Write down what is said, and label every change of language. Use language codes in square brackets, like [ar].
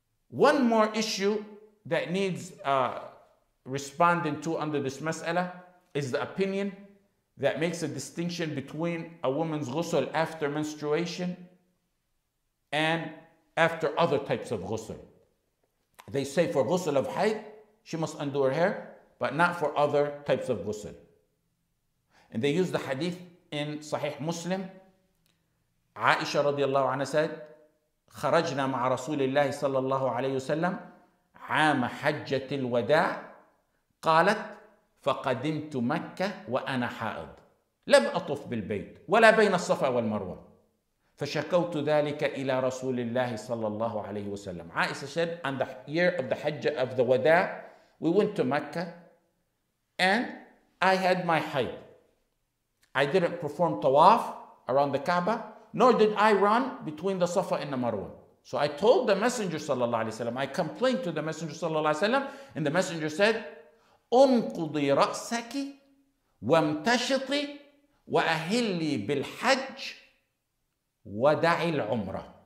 [en] One more issue that needs responding to under this mas'ala is the opinion that makes a distinction between a woman's ghusl after menstruation and after other types of ghusl. They say for ghusl of hayd, she must undo her hair, but not for other types of ghusl. And they use the hadith in Sahih Muslim. Aisha radiallahu anha said, [ar] خرجنا مع رسول الله صلى الله عليه وسلم عام حجة الوداع قالت فقدمت مكة وأنا حائض لم أطف بالبيت ولا بين الصفا والمروة فشكوت ذلك إلى رسول الله صلى الله عليه وسلم. [en] Aisha said, on the year of the Hajj of the Wada, we went to Mecca and I had my hayd. I didn't perform tawaf around the Kaaba, nor did I run between the Safa and the Marwa. So I told the Messenger sallallahu alaihi wasallam, I complained to the Messenger sallallahu alaihi wasallam, and the Messenger said, [ar] "Unqudi ra'saki wamtashiti wa ahilli bil hajj wa da'i al umrah."